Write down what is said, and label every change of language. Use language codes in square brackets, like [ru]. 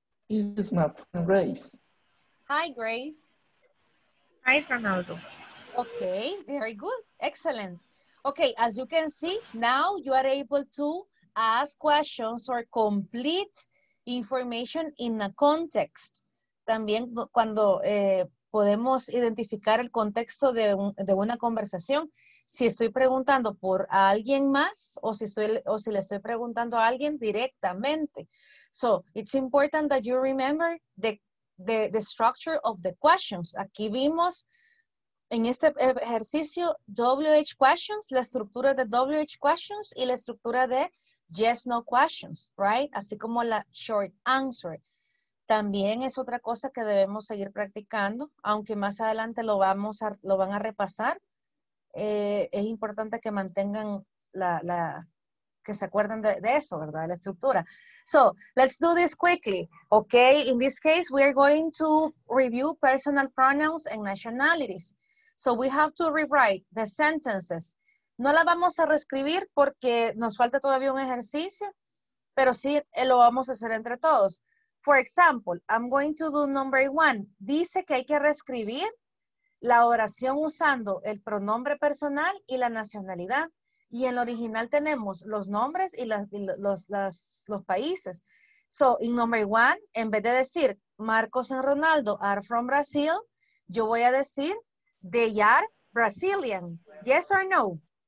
[en] This is my friend, Grace. Hi, Grace. Hi, Ronaldo. Okay, very good. Excellent. Okay, as you can see, now you are able to ask questions or complete information in a context. [es] También cuando podemos identificar el contexto de una conversación, si estoy preguntando por a alguien más o si le estoy preguntando a alguien directamente. [en] So, it's important that you remember the structure of the questions. [es] Aquí vimos en este ejercicio WH questions, la estructura de WH questions y la estructura de yes, no questions, right? Así como la short answer. También es otra cosa que debemos seguir practicando, aunque más adelante lo van a repasar. Es importante que mantengan que se acuerden de eso, ¿verdad? La estructura. [en] So, let's do this quickly, okay? In this case, we are going to review personal pronouns and nationalities. So, we have to rewrite the sentences. [es] No la vamos a reescribir porque nos falta todavía un ejercicio, pero sí lo vamos a hacer entre todos. [en] For example, I'm going to do number one. [es] Dice que hay que reescribir la oración usando el pronombre personal y la nacionalidad. Y en el original tenemos los nombres y los países. [en] So, in number one, [es] en vez de decir [en] Marcos y Ronaldo are from Brazil, [es] yo voy a decir [en] they are Brazilian. Yes or no?